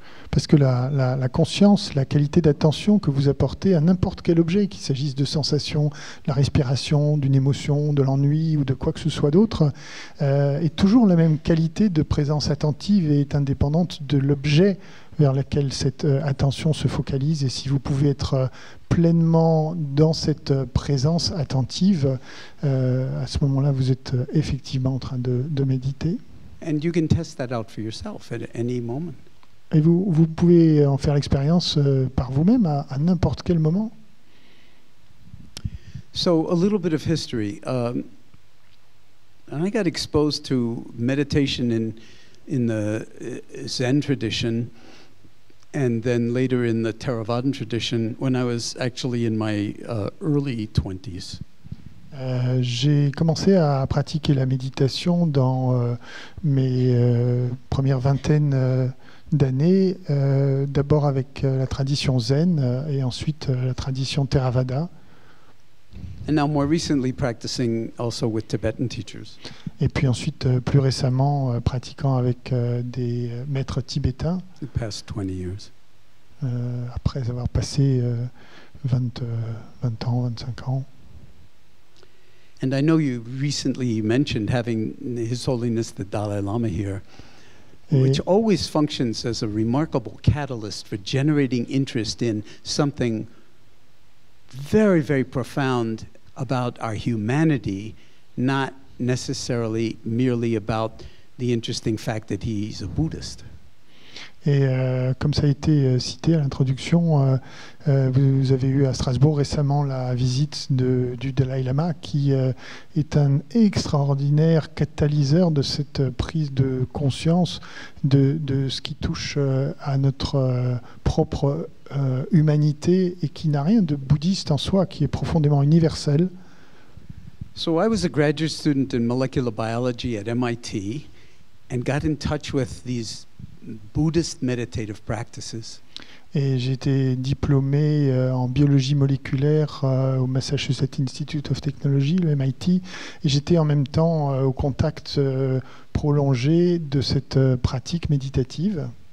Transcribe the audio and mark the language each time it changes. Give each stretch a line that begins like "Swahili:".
French: Parce que la conscience, la qualité d'attention que vous apportez à n'importe quel objet, qu'il s'agisse de sensations, de la respiration, d'une émotion, de l'ennui ou de quoi que ce soit d'autre, est toujours la même qualité de présence attentive et est indépendante de l'objet vers lequel cette attention se focalise. Et si vous pouvez être pleinement dans cette présence attentive, à ce moment-là, vous êtes effectivement en train de méditer.
English: And you can test that out for yourself at any moment.
French: Et vous pouvez en faire l'expérience par vous-même à n'importe quel moment.
English: So a little bit of history. I got exposed to meditation in the Zen tradition and then later in the Theravadan tradition when I was actually in my early 20s.
French: J'ai commencé à pratiquer la méditation dans mes premières vingtaines d'années, d'abord avec la tradition zen et ensuite la tradition Theravada.
English: And now more recently practicing also with Tibetan teachers.
French: Et puis ensuite, plus récemment, pratiquant avec des maîtres tibétains.
English: The past 20 years.
French: Après avoir passé 20 ans, 25 ans.
English: And I know you recently mentioned having His Holiness the Dalai Lama here. Which always functions as a remarkable catalyst for generating interest in something very, very profound about our humanity, not necessarily merely about the interesting fact that he's a Buddhist.
French: Et comme ça a été cité à l'introduction, vous avez eu à Strasbourg récemment la visite du Dalai Lama, qui est un extraordinaire catalyseur de cette prise de conscience de ce qui touche à notre propre humanité et qui n'a rien de bouddhiste en soi, qui est profondément universel.
English: So I was a graduate student in molecular biology at MIT and got in touch with these Buddhist meditative practices.
French: Et j'étais diplômé en biologie moléculaire au Massachusetts Institute of Technology, le MIT, et j'étais en même temps au contact prolongé de cette pratique méditative.